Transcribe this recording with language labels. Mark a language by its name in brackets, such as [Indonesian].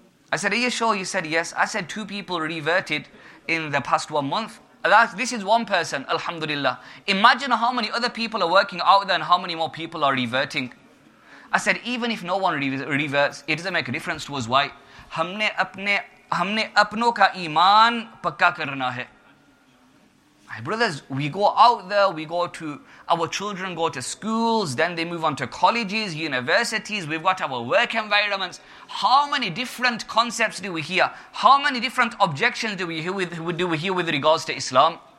[English] I said, are you sure? He said, yes. I said, two people reverted in the past 1 month. This is one person, alhamdulillah. Imagine how many other people are working out there and how many more people are reverting. I said, even if no one reverts, it doesn't make a difference to us. Why? [Urdu] ہمنے اپنوں کا ایمان پکا کرنا ہے۔ [English] My brothers, we go out there, our children go to schools, then they move on to colleges, universities, we've got our work environments. How many different concepts do we hear? How many different objections do we hear with regards to Islam?